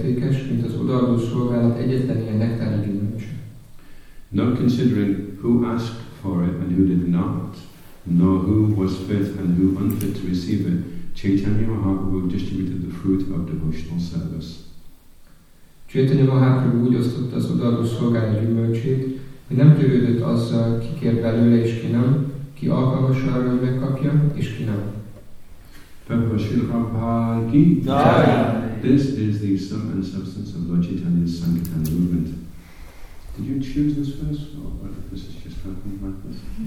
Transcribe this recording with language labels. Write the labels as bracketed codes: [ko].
[en] Not considering who asked for it and who did not, nor who was fit and who unfit to receive it, Chaitanya Mahaprabhu distributed the fruit of devotional service. [hu] Chaitanya Mahaprabhu osztotta az odaadó szolgálat gyümölcsét, hogy nem törődött azzal, ki kér belőle és ki nem, ki alkalmas arra, hogy megkapja, és ki nem. Prabhu Srila Prabhupada ki? Jaya! [en] This is the sum and substance of Lord Chaitanya's Sankirtan movement. Did you choose this first? Or what if this is just happening like this?